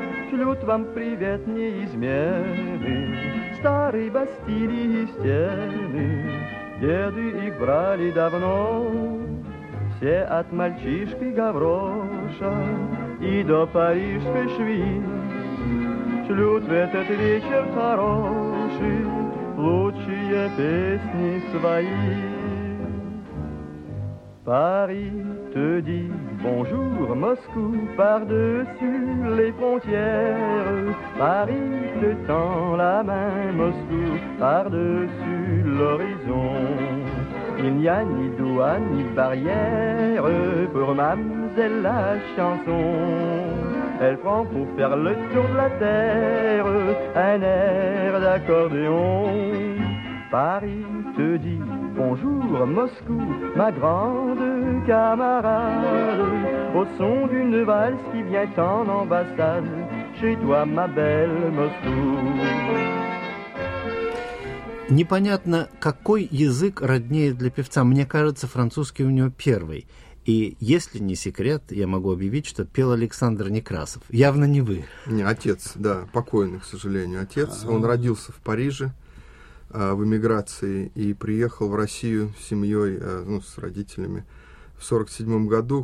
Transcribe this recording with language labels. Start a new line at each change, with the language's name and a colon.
Russian: Шлют вам привет неизмены старой Бастилии стены, деды их брали давно, все от мальчишки Гавроша и до парижской швеи. Шлют в этот вечер хороший лучшие песни свои.
French: Paris te dit bonjour, Moscou, par-dessus les frontières. Paris te tend la main, Moscou, par-dessus l'horizon. Il n'y a ni douane, ni barrière pour mamselle la chanson. Elle prend pour faire le tour de la terre un air d'accordéon. Paris te dit bonjour Moscou, ma grande camarade. Au son d'une valse qui vient en ambassade, chez toi ma belle Moscou.
Russian: Непонятно, какой язык роднее для певца. Мне кажется, французский у него первый. И если не секрет, я могу объявить, что пел Александр Некрасов. Явно не вы. Не, отец, да, покойный, к сожалению, отец. Он родился в Париже в эмиграции и приехал в Россию с семьей, ну, с родителями в 47-м году.